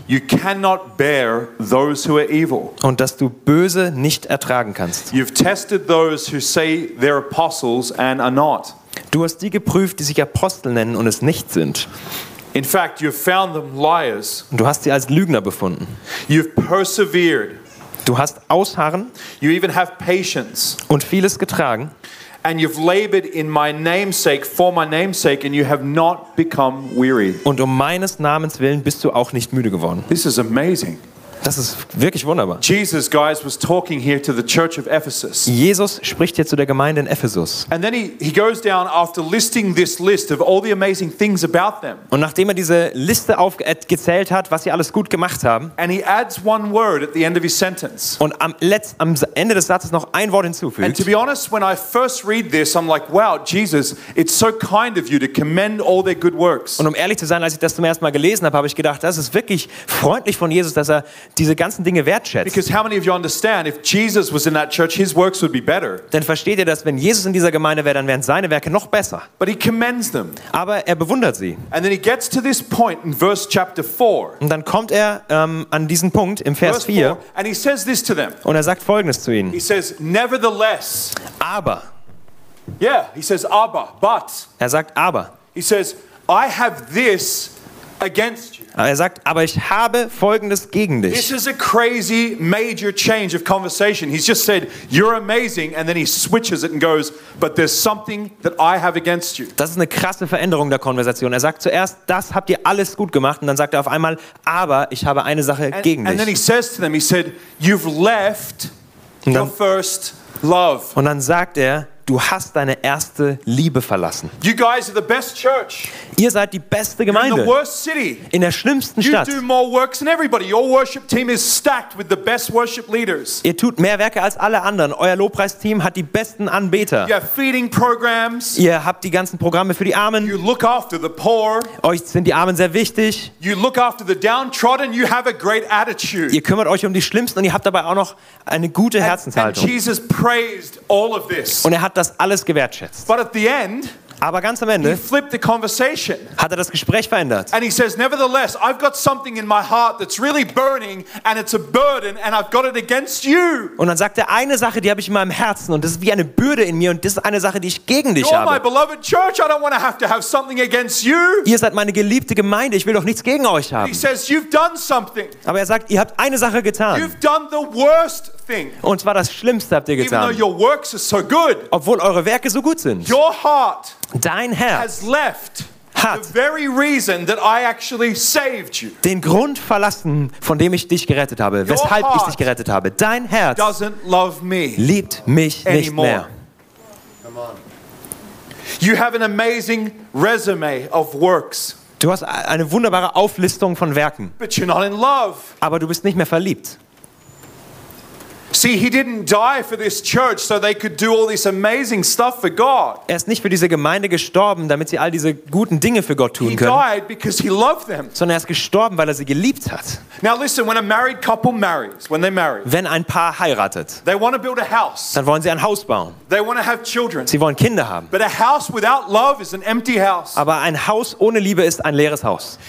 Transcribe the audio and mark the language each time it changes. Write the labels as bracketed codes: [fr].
[en] You cannot bear those who are evil. [de] Und dass du Böse nicht ertragen kannst. [en] You've tested those who say they're apostles and are not. [de] Du hast die geprüft, die sich Apostel nennen und es nicht sind. [en] In fact, you found them liars. [de] Du hast sie als Lügner befunden. [en] You've persevered. [de] Du hast ausharren. [en] You even have patience. [de] Und vieles getragen. [en] And you've labored in my namesake for my namesake, and you have not become weary. [de] Und um meines Namens willen bist du auch nicht müde geworden. [en] This is amazing. [de] Das ist wirklich wunderbar. [en] Jesus, guys, was talking here to the church of Ephesus. [de] Jesus spricht hier zu der Gemeinde in Ephesus. [en] And then he goes down after listing this list of all the amazing things about them. [de] Und nachdem er diese Liste aufgezählt hat, was sie alles gut gemacht haben. [en] And he adds one word at the end of his sentence. [de] Und am Ende des Satzes noch ein Wort hinzufügt. [en] And to be honest, when I first read this, I'm like, wow, Jesus, it's so kind of you to commend all their good works. [de] Und um ehrlich zu sein, als ich das zum ersten Mal gelesen habe, habe ich gedacht, das ist wirklich freundlich von Jesus, dass er diese ganzen Dinge wertschätzt. [en] Because how many of you understand, if Jesus was in that church, his works would be better. [de] Denn versteht ihr, dass wenn Jesus in dieser Gemeinde wäre, dann wären seine Werke noch besser. [en] But he commends them. [de] Aber er bewundert sie. [en] And then he gets to this point in verse chapter 4. [de] Und dann kommt er an diesen Punkt im Vers 4. [en] And he says this to them. [de] Und er sagt Folgendes zu ihnen. [en] He says, nevertheless. [de] Aber. [en] Yeah, he says, aber, but. [de] Er sagt aber. [en] He says, I have this against you. [de] Er sagt, aber ich habe Folgendes gegen dich. [en] This is a crazy major change of conversation. He's just said, you're amazing, and then he switches it and goes, but there's something that I have against you. [de] Das ist eine krasse Veränderung der Konversation. Er sagt zuerst, das habt ihr alles gut gemacht, und dann sagt er auf einmal, aber ich habe eine Sache gegen dich. [en] And then he says to them, he said, you've left your first love. [de] Und dann sagt er, du hast deine erste Liebe verlassen. [en] You guys are the best church. [de] Ihr seid die beste Gemeinde. [en] You're in the worst city. [de] In der schlimmsten Stadt. [en] You do more works than everybody. Your worship team is stacked with the best worship leaders. [de] Ihr tut mehr Werke als alle anderen. Euer Lobpreisteam hat die besten Anbeter. [en] You have feeding programs. [de] Ihr habt die ganzen Programme für die Armen. [en] You look after the poor. [de] Euch sind die Armen sehr wichtig. [en] You look after the downtrodden. You have a great attitude. [de] Ihr kümmert euch um die Schlimmsten und ihr habt dabei auch noch eine gute Herzenshaltung. [en] And Jesus praised all of this. [de] Und er hat das alles gewertschätzt. [en] But at the end, [de] Aber ganz am Ende [en] he flipped the conversation. [de] Hat das Gespräch verändert. [en] And he says, nevertheless, I've got something in my heart that's really burning and it's a burden and I've got it against you. [de] Und dann sagt er, eine Sache, die habe ich in meinem Herzen und das ist wie eine Bürde in mir und das ist eine Sache, die ich gegen dich [en] You're [de] habe. [en] My beloved church, I don't want to have something against you. [de] Ihr seid meine geliebte Gemeinde, ich will doch nichts gegen euch haben. [en] He says, you've done something. [de] Aber er sagt, ihr habt eine Sache getan. [en] You've done the worst thing. [de] Und zwar das Schlimmste habt ihr getan. [en] Even though your works are so good. [de] Obwohl eure Werke so gut sind. [en] Your heart. [de] Dein Herz [en] has left [de] hat [en] the very reason that I actually saved you. [de] Den Grund verlassen, von dem ich dich gerettet habe, weshalb ich dich gerettet habe. Dein Herz [en] doesn't love me [de] liebt mich [en] anymore. [de] Nicht mehr. [en] Come on. You have an amazing resume of works. [de] Du hast eine wunderbare Auflistung von Werken. [en] But you're not in love. [de] Aber du bist nicht mehr verliebt. [en] See, he didn't die for this church so they could do all this amazing stuff for God. [de] Er ist nicht für diese Gemeinde gestorben, damit sie all diese guten Dinge für Gott tun können. [en] He died because he loved them. [de] Sondern er ist gestorben, weil er sie geliebt hat. [en] Now listen, when a married couple marries, when they marry. [de] Wenn ein Paar heiratet. [en] They want to build a house. [de] Dann wollen sie ein Haus bauen. [en] They want to have children. [de] Sie wollen Kinder haben. [en] But a house without love is an empty house. [de] Aber ein Haus ohne Liebe ist ein leeres Haus.